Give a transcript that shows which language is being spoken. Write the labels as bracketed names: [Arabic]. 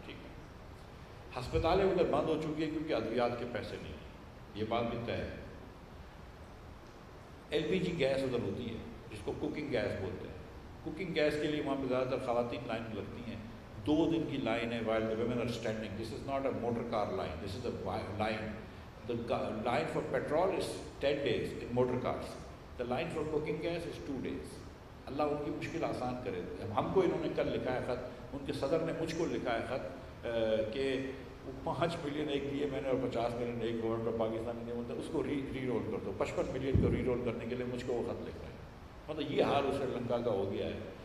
[Urdu] ٹھیک ہے, ہسپتالیں ادھر بند ہو چکی ہیں کیونکہ ادویات کے پیسے نہیں ہیں, یہ بات بھی طے ہے. ایل پی جی گیس ادھر ہوتی ہے جس کو کوکنگ گیس بولتے ہیں. کوکنگ گیس کے لیے وہاں پہ زیادہ تر خواتین لائن لگتی ہیں, 2 دن کی لائن ہے [English] While the women are standing. This is not a motor car line, this is a line. The line for petrol is 10 days in motor cars, the line for cooking gas is 2 days. [Urdu] اللہ ان کی مشکل آسان کرے. ہم کو انہوں نے کل لکھا ہے خط, ان کے صدر نے مجھ کو لکھا ہے خط کہ 5 بلین ایک دیے میں نے اور 50 بلین ایک گورنمنٹ آف پاکستان نے, مطلب اس کو ری رول کر دو. 55 بلین کو ری رول کرنے کے لیے مجھ کو وہ خط لکھ رہا ہے. مطلب یہ حال اس سری لنکا کا ہو گیا ہے.